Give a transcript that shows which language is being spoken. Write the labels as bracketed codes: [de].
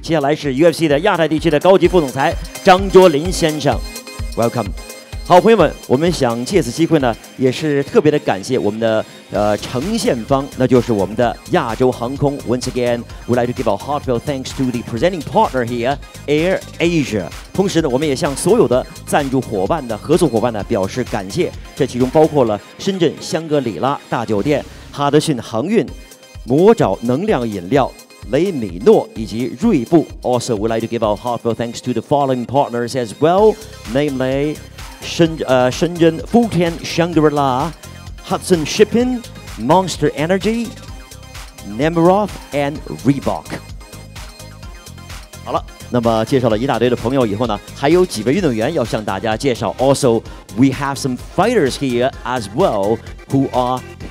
[zh] 接下来是 UFC 的亚太地区的高级副总裁张卓林先生。 [en] Welcome。 [zh] 好，朋友们，我们想借此机会呢，也是特别的感谢我们的呈现方，那就是我们的亚洲航空。 [en] Once again, we'd like to give our heartfelt thanks to the presenting partner here, Air Asia. [zh] 同时呢，我们也向所有的赞助伙伴的合作伙伴呢表示感谢，这其中包括了深圳香格里拉大酒店、哈德逊航运、魔爪能量饮料、雷米诺以及锐步。 [en] Also, we'd like to give our heartfelt thanks to the following partners as well, namely. 深圳福田 Shangri-La Hudson Shipping Monster Energy Nemiroff and Reebok [zh] 好了那么介绍了一大堆的朋友以后呢还有几位运动员要向大家介绍 [en] Also we have some fighters here as well who are